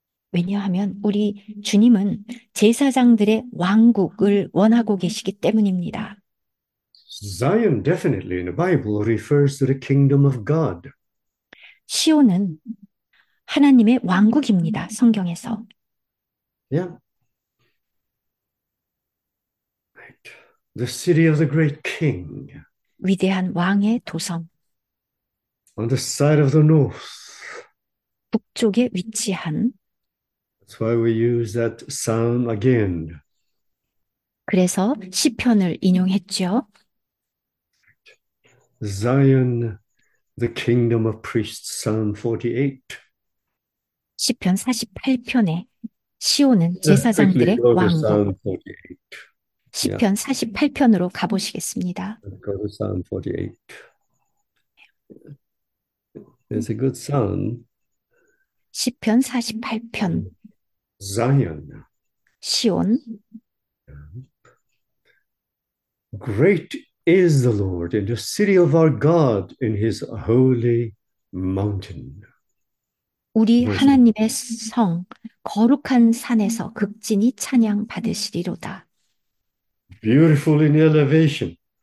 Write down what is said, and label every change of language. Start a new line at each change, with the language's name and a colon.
Korean: 왜냐하면 우리 주님은 제사장들의 왕국을 원하고 계시기 때문입니다.
English: Zion definitely in the Bible refers to the kingdom of God.
Korean: 시온은 하나님의 왕국입니다, 성경에서.
English: Yeah. The city of the great king.
Korean: 위대한 왕의 도성.
English: On the side of the north.
Korean: 북쪽에 위치한.
English: That's why we use that psalm again.
Korean: 그래서 시편을 인용했죠.
English: Zion, the kingdom of priests, Psalm 48.
Korean: 시편 48편에 시온은
English: Definitely
Korean: 제사장들의
English: go to
Korean: 왕국.
English: Psalm 48.
Korean: 시편 48편으로 가보시겠습니다.
English: Let's go to Psalm 48. It's a good psalm.
Korean: 시편 48편
English: Zion.
Korean: 시온.
English: Great is the Lord in the city of our God in his holy mountain.
Korean: 우리
English: Verse 1.
Korean: 하나님의 성, 거룩한 산에서 극진히 찬양받으시리로다.
English: Beautiful in elevation.